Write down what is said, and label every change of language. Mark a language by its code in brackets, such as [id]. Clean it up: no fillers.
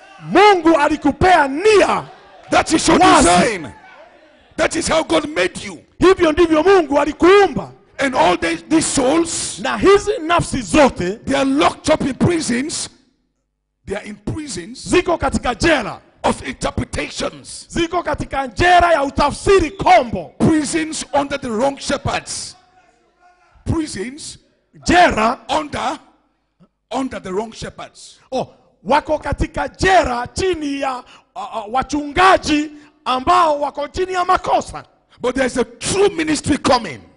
[sw] Mungu alikupea nia. [en] That is your wasi. Design. That is how God made you. [sw] Hivyo ndivyo Mungu alikuumba. [en] And all these souls. [sw] Na hizi nafsi zote. [en] They are locked up in prisons. They are in prisons. [sw] Ziko katika jela. [en] Of interpretations. [sw] Ziko katika jela ya utafsiri kombo. [en] Prisons under the wrong shepherds. Prisons [sw] jera [en] under the wrong shepherds. [sw] Oh, wako katika jera chini ya wachungaji ambao wako chini ya makosa. [en] But there's a true ministry coming.